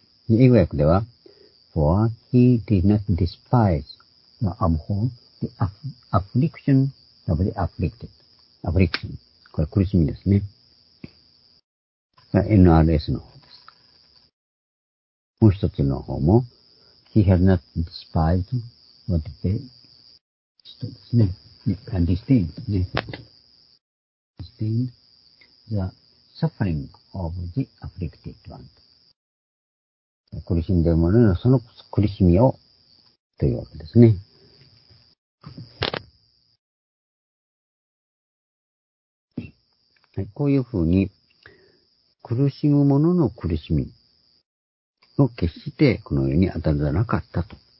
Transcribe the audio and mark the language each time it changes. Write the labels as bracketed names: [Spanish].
[Japanese] 英語訳では、 [English] For he did not despise or abhor the affliction of the afflicted. Affliction. [Japanese] これ苦しみですね。 NRS の方です。もう一つの方も、 [English] He had not despised what they, [Japanese] ちょっとですね。 [English] Disdain. ね。Disdain. The,Suffering of the afflicted one. [Japanese] 苦しんでいる者のその苦しみをというわけですね。はい、こういうふうに苦しむ者の苦しみを決してこの世に当たらなかったと。